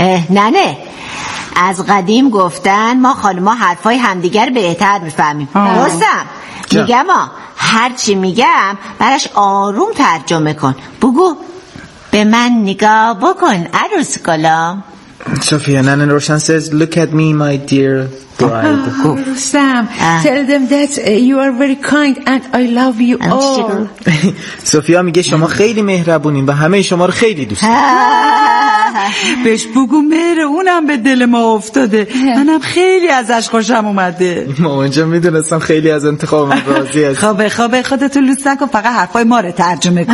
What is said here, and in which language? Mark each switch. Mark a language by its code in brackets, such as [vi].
[fa] ننه، از قدیم گفتن ما خانما حرفای همدیگر بهتر میفهمیم. رستم میگم، هرچی میگم براش آروم ترجمه کن. بگو به من نگاه بکن عروس گلا. [en] Sophia, نن روشن says look at me my dear bride. رستم tell them that you are very kind and I love you all. [fa] سوفیا میگه شما خیلی مهربونین و همه شما رو خیلی دوست دارم. بهش بگو مهر اونم به دل ما افتاده، منم خیلی ازش خوشم اومده. مامان جان میدونستم خیلی از انتخاب من راضی هست. خب خب خودتو لوس نکن، فقط حرفای ما رو ترجمه کن.